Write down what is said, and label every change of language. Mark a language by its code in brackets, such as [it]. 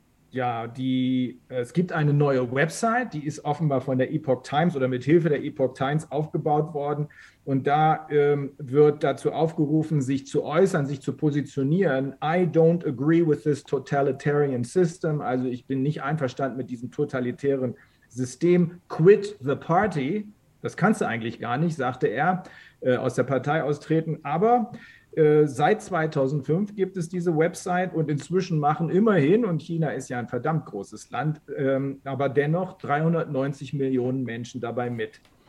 [de] Es gibt eine neue Website, die ist offenbar von der Epoch Times oder mit Hilfe der Epoch Times aufgebaut worden. Und da wird dazu aufgerufen, sich zu äußern, sich zu positionieren. [en] I don't agree with this totalitarian system. [de] Also ich bin nicht einverstanden mit diesem totalitären System. [en] Quit the party. [de] Da Das kannst du eigentlich gar nicht, sagte er, aus der Partei austreten. Aber seit 2005 gibt es diese Website und inzwischen machen immerhin, und China ist ja ein verdammt großes Land, aber dennoch 390 Millionen Menschen dabei mit.